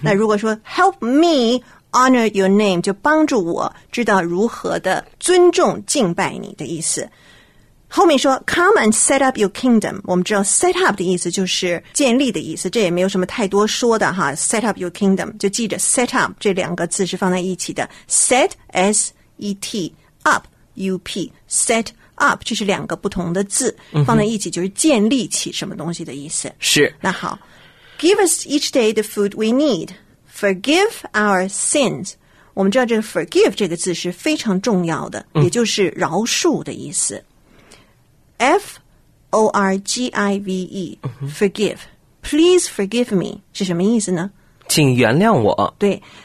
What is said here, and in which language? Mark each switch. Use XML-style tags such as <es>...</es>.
<zh>那如果说</zh> <en>help me honor your name</en> <zh>就帮助我知道如何的尊重敬拜你的意思后面说</zh> <en>come and set up your kingdom</en> <zh>我们知道 set up 的意思就是建立的意思这也没有什么太多说的哈</zh> <en>set up your kingdom</en> <zh>就记着 set up 这两个字是放在一起的 set S-E-T upUP, set up, 这是两个不同的字、嗯、放在一起就是建立起什么东西的意思。是。那好。</zh> <en>Give us each day the food we need. Forgive our sins.</en> <zh>我们知道这个 forgive 这个字是非常重要的、嗯、也就是饶恕的意思。F-O-R-G-I-V-E,、嗯、</zh> <en>forgive. Please forgive me,</en> <zh>是什么意思呢请原谅我。对。</zh>